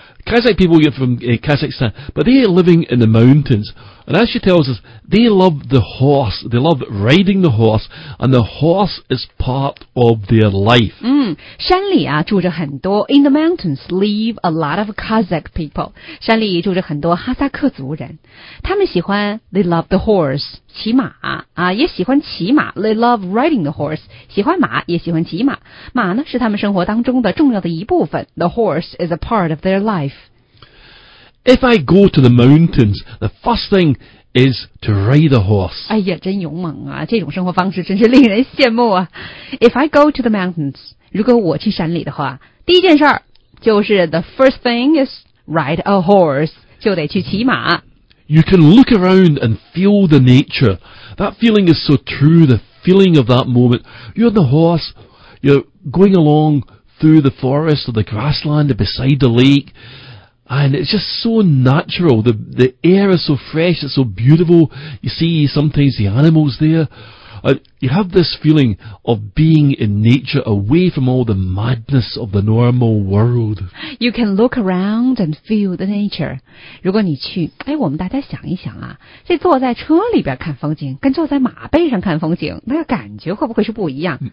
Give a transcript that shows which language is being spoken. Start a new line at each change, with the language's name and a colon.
English: Kazakh people get from Kazakhstan, but they are living in the mountains. And as she tells us, they love the horse, they love riding the horse, and the horse is part of their life.
Chinese: 山里啊住着很多
English: in the mountains live a lot of Kazakh people.
Chinese: 山里住着很多哈萨克族人。他们喜欢
English: they love the horse,
Chinese: 骑马啊也喜欢骑马
English: they love riding the horse,
Chinese: 喜欢马也喜欢骑马。马呢是他们生活当中的重要的一部分
English: the horse is a part of their life. If I go to the mountains, the first thing is to ride a horse.
Chinese: 哎呀，真勇猛啊！这种生活方式真是令人羡慕啊。
English: If I go to the mountains,
Chinese: 如果我去山里的话，第一件事儿就是
English: the first thing is ride a horse,
Chinese: 就得去骑马。
English: You can look around and feel the nature. That feeling is so true, the feeling of that moment. You're on the horse, you're going along through the forest or the grassland or beside the lake. And it's just so natural. The air is so fresh. It's so beautiful. You see sometimes the animals there. You have this feeling of being in nature away from all the madness of the normal world. You can look around and feel the nature.
Chinese: 如果你去，哎，我们大家想一想啊，这坐在车里边看风景跟坐在马背上看风景，那个感觉会不会是不一样？